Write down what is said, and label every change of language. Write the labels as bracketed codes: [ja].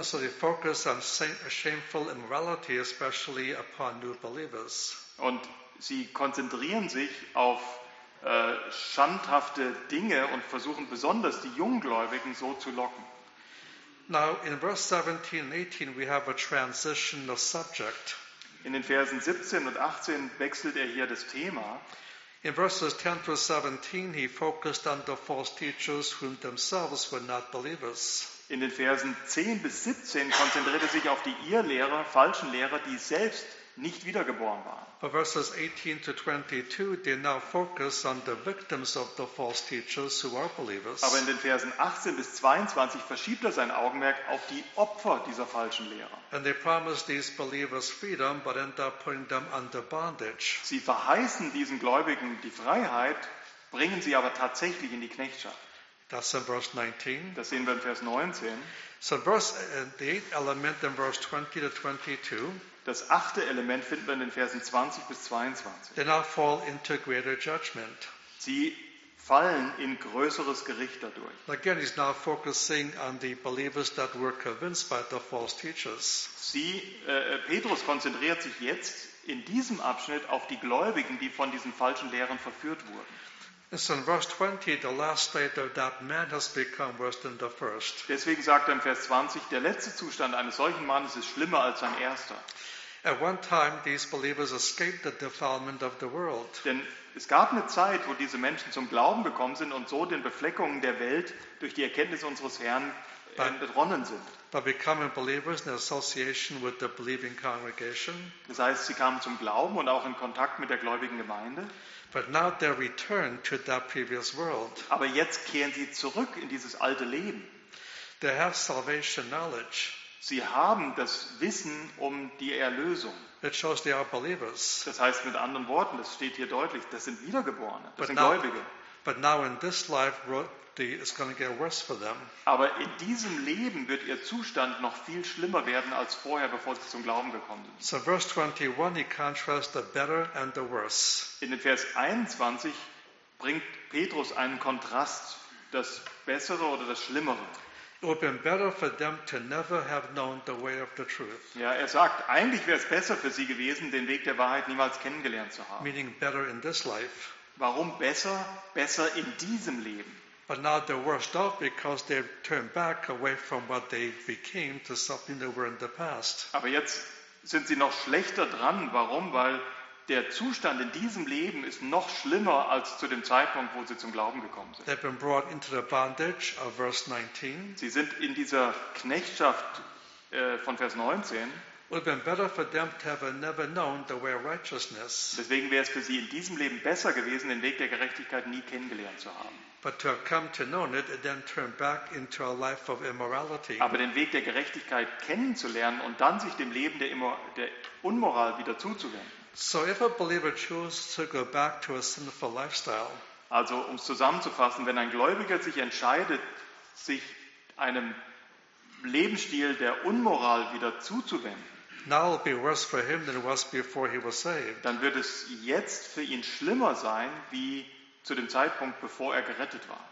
[en] And so they focus on shameful immorality, especially upon new believers. [de] Und sie konzentrieren sich auf schandhafte Dinge und versuchen besonders die Junggläubigen so zu locken. [en] Now in verse 17 and 18 we have a transition of subject. [de] In den Versen 17 und 18 wechselt er hier das Thema. [en] In verses 10 through 17 he focused on the false teachers who themselves were not believers. [de] In den Versen 10 bis 17 konzentriert er sich auf die Irrlehrer, falschen Lehrer, die selbst nicht wiedergeboren waren. [en] But verses 18 to 22, they now focus on the victims of the false teachers who are believers. [de] Aber in den Versen 18 bis 22 verschiebt er sein Augenmerk auf die Opfer dieser falschen Lehrer. [en] And they promise these believers freedom, but end up putting them under bondage. [de] Sie verheißen diesen Gläubigen die Freiheit, bringen sie aber tatsächlich in die Knechtschaft. [en] That's in verse 19. [de] Das sehen wir in Vers 19. [en] So the eighth element in verse 20 to 22. [de] Das achte Element finden wir in den Versen 20 bis 22. [en] They now fall into greater judgment. [de] Sie fallen in größeres Gericht dadurch. [en] Again, he's now focusing on the believers that were convinced by the false teachers. [de] Petrus konzentriert sich jetzt in diesem Abschnitt auf die Gläubigen, die von diesen falschen Lehren verführt wurden. [en] It's in verse 20, the last state of that man has become worse than the first. [de] Deswegen sagt er im Vers 20, der letzte Zustand eines solchen Mannes ist schlimmer als sein erster. [en] At one time, these believers escaped the defilement of the world. [de] Denn es gab eine Zeit, wo diese Menschen zum Glauben gekommen sind und so den Befleckungen der Welt durch die Erkenntnis unseres Herrn entronnen sind. [en] By becoming believers in association with the believing congregation. [de] Das heißt, sie kamen zum Glauben und auch in Kontakt mit der gläubigen Gemeinde. [en] But now they return to that previous world. [de] Aber jetzt kehren sie zurück in dieses alte Leben. [en] They have salvation knowledge. [de] Sie haben das Wissen um die Erlösung. [en] It shows they are believers. [de] Das heißt mit anderen Worten, das steht hier deutlich, das sind Wiedergeborene, das sind Gläubige. [en] But now in this life, it's going to get worse for them. [de] Aber in diesem Leben wird ihr Zustand noch viel schlimmer werden als vorher, bevor sie zum Glauben gekommen sind. [en] So verse 21, he contrasts the better and the worse. [de] In den Vers 21 bringt Petrus einen Kontrast, das Bessere oder das Schlimmere. [en] It would have been better for them to never have known the way of the truth. [de] Ja, er sagt, eigentlich wäre es besser für sie gewesen, den Weg der Wahrheit niemals kennengelernt zu haben. [en] Meaning better in this life. [de] Warum besser? Besser in diesem Leben. [en] But now they're worse off because they've turned back away from what they became to something they were in the past. [de] Aber jetzt sind sie noch schlechter dran. Warum? Weil der Zustand in diesem Leben ist noch schlimmer als zu dem Zeitpunkt, wo sie zum Glauben gekommen sind. [en] They've been brought into the bondage of verse 19. [de] Sie sind in dieser Knechtschaft von Vers 19. [en] It would have been better for them to have never known the way of righteousness. [de] Deswegen wäre es für sie in diesem Leben besser gewesen, den Weg der Gerechtigkeit nie kennengelernt zu haben. [en] But to have come to know it, then turn back into a life of immorality. [de] Aber den Weg der Gerechtigkeit kennenzulernen und dann sich dem Leben der Unmoral wieder zuzuwenden. [en] So if a believer chooses to go back to a sinful lifestyle. [de] Also um es zusammenzufassen, wenn ein Gläubiger sich entscheidet, sich einem Lebensstil der Unmoral wieder zuzuwenden, dann wird es jetzt für ihn schlimmer sein, wie zu dem Zeitpunkt, bevor er gerettet war.